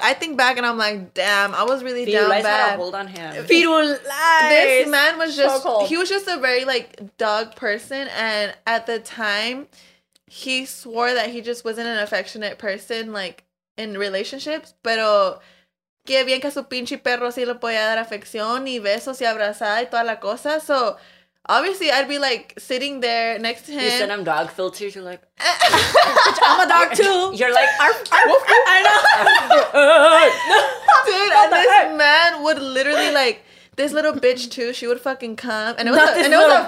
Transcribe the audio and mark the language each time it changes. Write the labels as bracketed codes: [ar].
[en] I think back and I'm like, damn, I was really down bad. Hold on him. Fidulize. This man was just, so he was just a very, like, dog person. And at the time, he swore that he just wasn't an affectionate person, like, in relationships. [es] Pero... Que bien que su pinche perro sí le podía dar afección y besos y abrazada y toda la cosa. [en] So, obviously, I'd be, like, sitting there next to him. You send him dog filters. You're like... I'm a dog, too. You're like... Arf, arf. I know. Dude, what and this heck? Man would literally, like... This little bitch, too, she would fucking come. And it was, and it was a bitch.